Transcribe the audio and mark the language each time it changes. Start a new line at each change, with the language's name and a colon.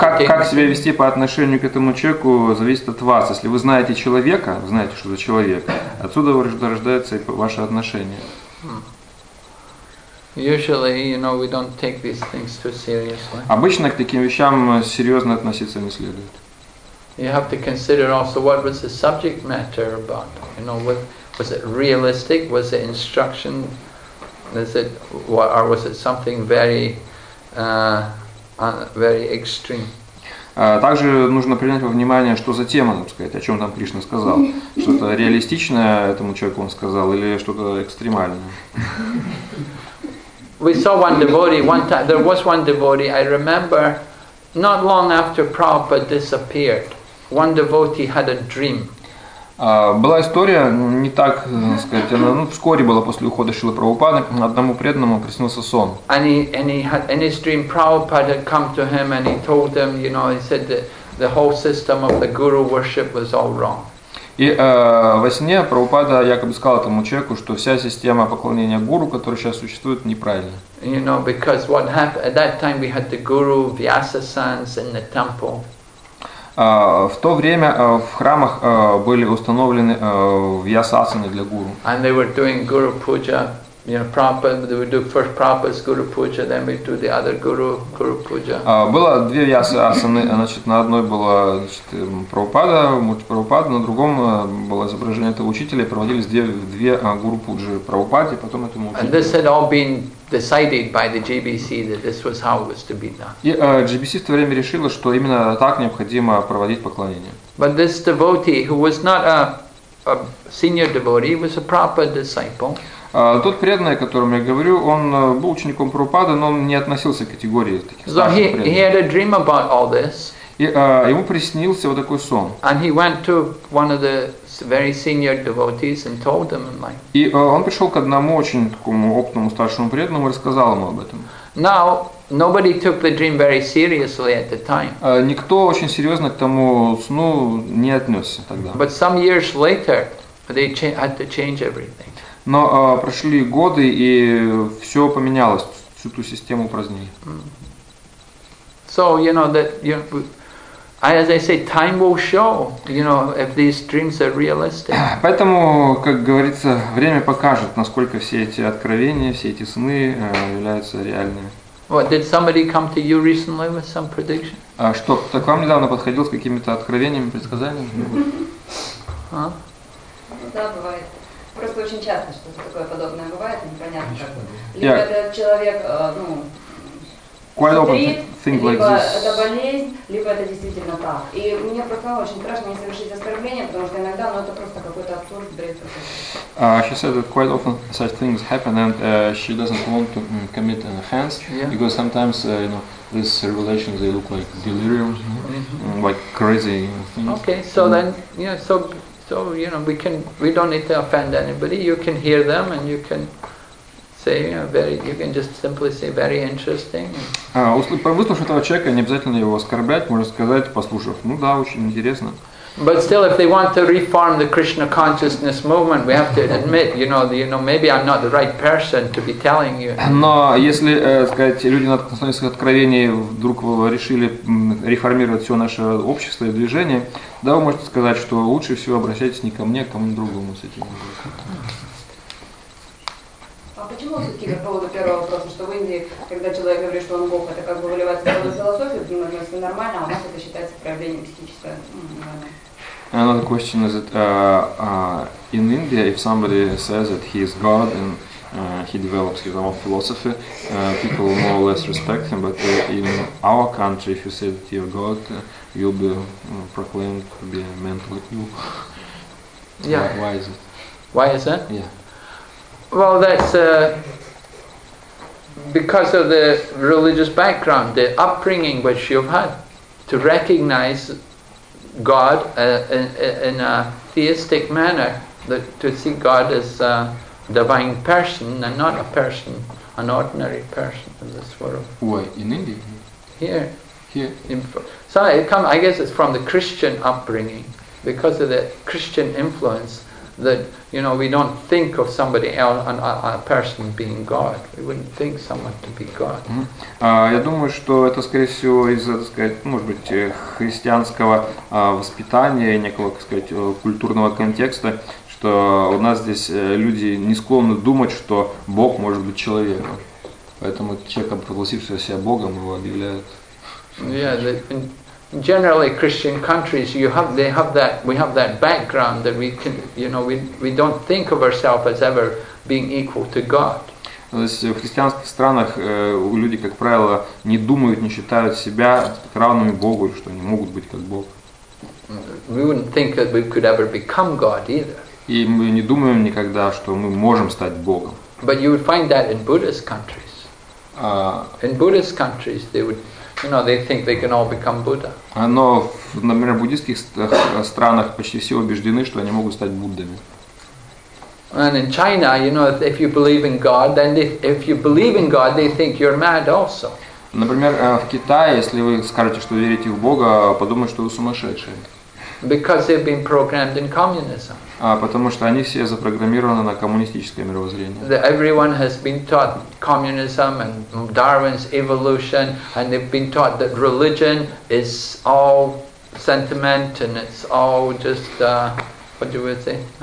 Russian: Как себя вести по отношению к этому человеку зависит от вас. Если вы знаете человека, знаете, что за человек, отсюда рождается и ваше отношение.
English: Usually, we don't take these things too seriously.
Russian: Обычно к таким вещам серьезно относиться не следует.
English: You have to consider also what was the subject matter about. You know, what was it realistic? Was it instruction? Is it what, or was it something very, very extreme?
Russian: Также нужно принять во внимание, что за тема, так сказать, о чем там Кришна сказал. Что-то реалистичное этому человеку он сказал или что-то экстремальное.
English: We saw one devotee one time. There was one devotee, I remember, not long after Prabhupada disappeared. One devotee had a dream.
Russian: Была история, не так сказать, она, ну, вскоре была после ухода Шрилы Прабхупады, одному преданному приснился сон.
English: In his dream, Prabhupada had come to him and he told him, you know, he said that the whole system of the guru worship was all wrong.
Russian: И во сне Прабхупада якобы сказал этому человеку, что вся система поклонения гуру, которая сейчас существует, неправильна.
English: You know, because what happened, at that time we had the guru, Vyasasans in the temple.
Russian: В то время в храмах были установлены вьясасаны для гуру.
English: And they were doing guru puja, you know, Prabhupada, they would do first Prabhupada's guru puja, then we do the other guru puja.
Russian: Было две вьясасаны, значит, на одной была, значит, Прабхупада, муч Прабхупада, на другом было изображение этого учителя, и проводились две гуру пуджи Прабхупаде, потом этому учителю.
English: And this had all been decided by the GBC that this was how it was to be done.
Russian: И GBC в то время решила, что именно так необходимо проводить поклонение.
English: But this devotee, who was not a senior devotee, was a proper disciple.
Russian: Тот преданный, о котором я говорю, он был учеником Прабхупады, но он не относился к категории таких старших преданных.
English: So he had a dream about all this.
Russian: И ему приснился вот такой сон.
English: And he went to one of the very senior devotees and told them, like.
Russian: И он пришел к одному очень такому опытному старшему преданному и рассказал ему об этом.
English: Now nobody took the dream very seriously at the time.
Russian: Никто очень серьезно к тому сну не отнесся тогда.
English: But some years later, they had to change everything.
Russian: Но прошли годы и все поменялось, всю ту систему упразднили.
English: So, you know, that, you know, as I say, time will show, you know, if these dreams are realistic.
Russian: Поэтому, как говорится, время покажет, насколько все эти откровения, все эти сны являются реальными.
English: What, did somebody come to you recently with some prediction?
Russian: Что, кто-то к вам недавно подходил с какими-то откровениями, предсказаниями? Да, бывает. Просто очень часто что-то такое подобное бывает, непонятно как. Либо этот человек, ну,
English: quite open thing like this.
Russian: Либо это болезнь, либо это действительно так. И мне просто очень страшно не совершить оскорбление, потому что иногда, ну, это просто какой-то абсурд, бред какой-то.
English: She said that quite often such things happen, and she doesn't want to commit an offense, yeah. Because sometimes, you know, these revelations, they look like delirium, mm-hmm. like crazy things. Okay, so then, yeah, so. So, you know, we don't need to offend anybody. You can hear them and you can say, you know, very, you can just simply say very interesting.
Russian: Выслушав этого человека, не обязательно его оскорблять, можно сказать, послушав, ну да, очень интересно.
English: But still, if they want to reform the Krishna consciousness movement, we have to admit, you know, maybe I'm not the right person to be telling you.
Russian: Но если, сказать, люди на основе откровений вдруг решили реформировать все наше общество и движение, да, вы можете сказать, что лучше всего обращайтесь не ко мне, а к кому-нибудь другому с этим. Почему все-таки по поводу первого вопроса, что в Индии, когда человек говорит, что он Бог, это как бы выливается в целую философию, это немножко нормально, а у нас это считается проявлением мистического.
English: Another question is that in India, if somebody says that he is God and he develops his own philosophy, people more or less respect him. But in our country, if you say that you are God, you'll be proclaimed to be mentally ill. Yeah. Why is it? Why is that? Yeah. Well, that's because of the religious background, the upbringing which you've had to recognize God in a theistic manner, to see God as a divine person and not a person, an ordinary person in this world. Why? In India? Here. So I guess it's from the Christian upbringing, because of the Christian influence, that, you know, we don't think of somebody else, a person being God. We wouldn't think someone to be God.
Russian: Я думаю, что это, скорее всего, из-за, так сказать, может быть, христианского воспитания и некого, так сказать, культурного контекста, что у нас здесь люди не склонны думать, что Бог может быть человеком. Поэтому человек, провозгласившего себя Богом, его объявляют.
English: Yeah, generally Christian countries, you have they have that we have that background that we can, you know, we don't think of ourselves as ever being equal to God.
Russian: То есть в христианских странах люди, как правило, не думают, не считают себя равными Богу, что они могут быть как Бог.
English: We wouldn't think that we could ever become God either.
Russian: И мы не думаем никогда, что мы можем стать Богом.
English: But you would find that in Buddhist countries. In Buddhist countries, they would, you know, they think they can all become Buddha.
Russian: Но, например, в буддийских странах почти все убеждены, что они могут стать Буддами.
English: And in China, you know, if you believe in God, then if you believe in God, they think you're mad also.
Russian: Например, в Китае, если вы скажете, что верите в Бога, подумают, что вы сумасшедшие.
English: Because they've been programmed in communism.
Russian: А потому что они все запрограммированы на коммунистическое мировоззрение.
English: That everyone has been taught communism and Darwin's evolution, and they've been taught that religion is all sentiment and it's all just what do we say?